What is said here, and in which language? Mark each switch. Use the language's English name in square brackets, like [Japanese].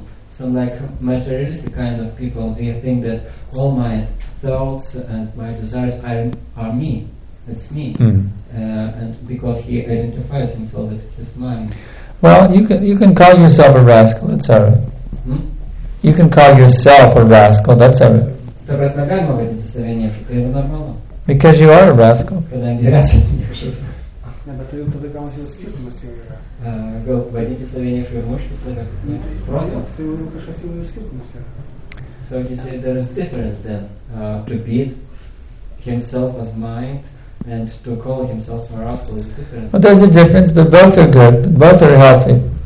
[English] So like materialistic kind of people, they think that all my thoughts and my desires are me. It's me. Mm. And because he identifies himself with his mind. Well, you can call yourself a rascal, that's all right. Hmm? You can call yourself a rascal, that's all right. [Lithuanian] Ta prasme, galima vadinti save niekšu, tai yra normalu. [English] Because you are a rascal. [Lithuanian] Kadangi esi niekšas. Ne, bet tai jau tada gaunasi jau skirtumas jau yra. Gal vadinti save niekšu ir mušti save. Ne, tai jau kažkas jau skirtumas yra. [English] So he said there is difference then to beat himself as mind and to call himself a rascal is different. Well, there's a difference, but both are good. Both are healthy.